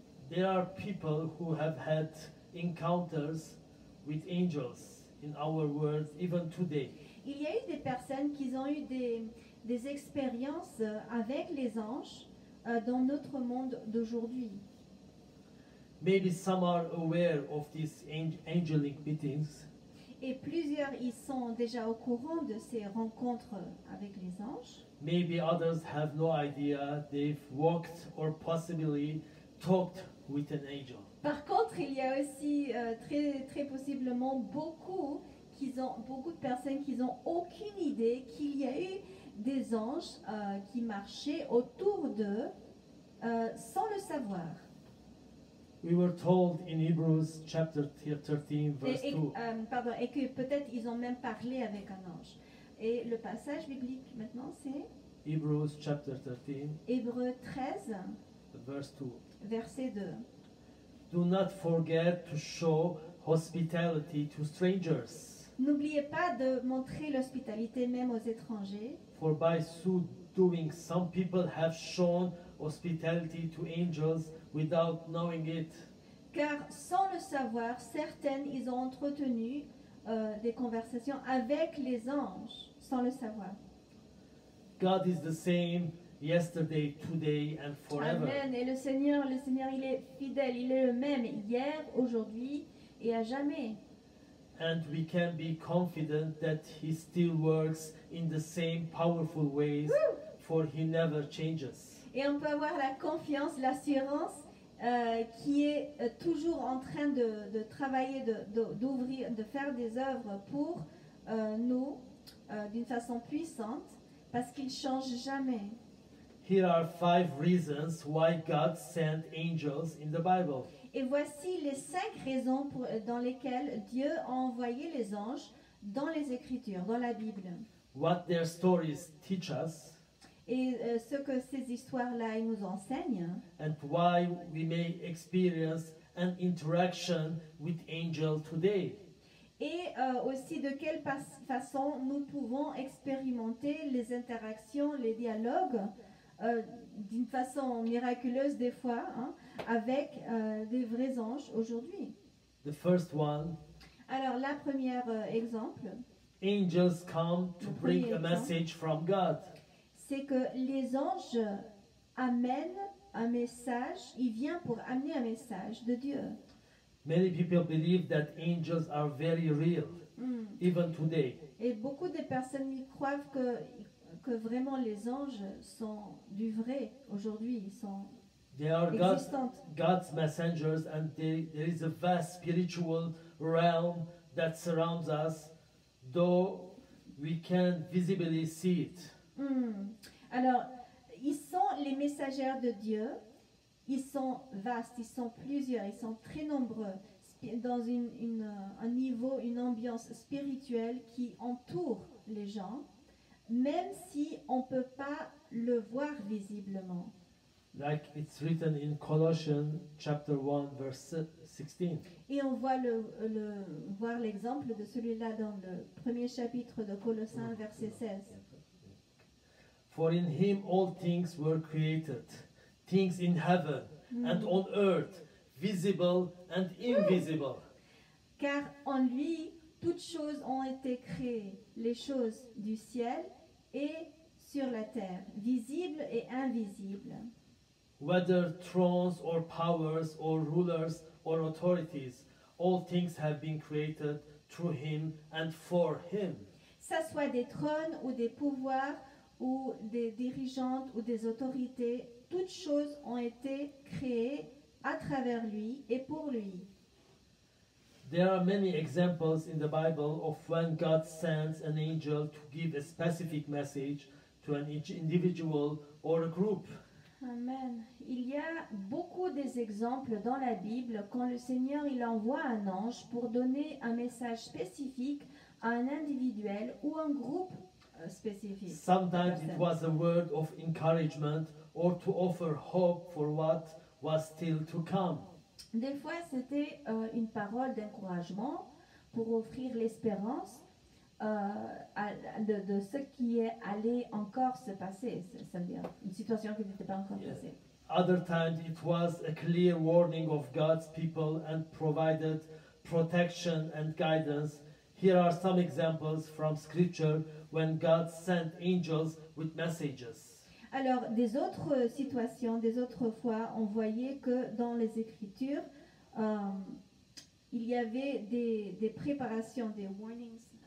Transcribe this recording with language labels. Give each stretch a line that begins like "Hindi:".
English: There are people who have had encounters with angels in our world even today.
French: Il y a eu des personnes qui ont eu des expériences avec les anges dans notre monde d'aujourd'hui.
English: Maybe some are aware of these angelic meetings.
French: Et plusieurs ils sont déjà au courant de ces rencontres avec les anges.
English: Maybe others have no idea they've walked or possibly talked with an angel.
French: Par contre, il y a aussi très très possiblement beaucoup de personnes qui n'ont aucune idée qu'il y a eu des anges qui marchaient autour d'eux sans le savoir.
English: We were told in Hebrews chapter 13 verse 2.
French: Pardon, et que peut-être ils ont même parlé avec un ange. Et le passage biblique maintenant c'est
English: Hebrews chapter 13.
French: Hébreux 13
English: verse 2.
French: Verset 2.
English: Do not forget to show hospitality to strangers.
French: N'oubliez pas de montrer l'hospitalité même aux étrangers.
English: For by so doing some people have shown hospitality to angels without knowing it.
French: Car sans le savoir, certaines ils ont entretenu des conversations avec les anges sans le savoir.
English: God is the same yesterday, today, and forever.
French: Amen. Et le Seigneur, il est fidèle. Il est le même hier, aujourd'hui et à jamais.
English: And we can be confident that he still works in the same powerful ways, for he never changes.
French: Et on peut avoir la confiance, l'assurance, qui est toujours en train de travailler, d'ouvrir, de faire des œuvres pour nous d'une façon puissante, parce qu'il ne change jamais.
English: Here are five reasons why God sent angels in the Bible.
French: Et voici les cinq raisons dans lesquelles Dieu a envoyé les anges dans les Écritures, dans la Bible.
English: What their stories teach us.
French: Et ce que ces histoires-là nous enseignent.
English: And why we may experience an interaction with angels today.
French: Et aussi de quelle façon nous pouvons expérimenter les interactions, les dialogues, d'une façon miraculeuse des fois, hein, avec des vrais anges aujourd'hui.
English: The first one.
French: Alors, la première exemple.
English: Angels come to bring a message from God.
French: C'est que les anges amènent un message, ils viennent pour amener un message de Dieu.
English: Many people believe that angels are very real, even today.
French: Et beaucoup de personnes y croient que vraiment les anges sont du vrai aujourd'hui, ils sont
English: they are
French: existantes.
English: God's messengers, and there is a vast spiritual realm that surrounds us, though we can't visibly see it.
French: Alors, ils sont les messagers de Dieu. Ils sont vastes, ils sont plusieurs, ils sont très nombreux dans un niveau, une ambiance spirituelle qui entoure les gens, même si on ne peut pas le voir visiblement.
English: Like it's written in Colossians chapter 1 verse 16.
French: Et on voit voir l'exemple de celui-là dans le premier chapitre de Colossiens verset 16.
English: For in him all things were created, things in heaven and on earth, visible and invisible.
French: Car en lui toutes choses ont été créées, les choses du ciel et sur la terre, visibles et invisibles.
English: Whether thrones or powers or rulers or authorities, all things have been created through him and for him.
French: Ça soit des trônes ou des pouvoirs ou des dirigeantes ou des autorités, toutes choses ont été créées à travers lui et pour lui.
English: There are many examples in the Bible of when God sends an angel to give a specific message to an individual or a group.
French: Amen. Il y a beaucoup d'exemples dans la Bible quand le Seigneur il envoie un ange pour donner un message spécifique à un individuel ou un groupe spécifique.
English: Sometimes it was a word of encouragement or to offer hope for what was still to come.
French: Des fois, c'était une parole d'encouragement pour offrir l'espérance de ce qui est allé encore se passer, c'est-à-dire une situation qui n'était pas encore passée.
English: Other times, it was a clear warning of God's people and provided protection and guidance. Here are some examples from Scripture when God sent angels with messages.
French: Alors, des autres situations, des autres fois, on voyait que dans les Écritures, il y avait des préparations, des warnings,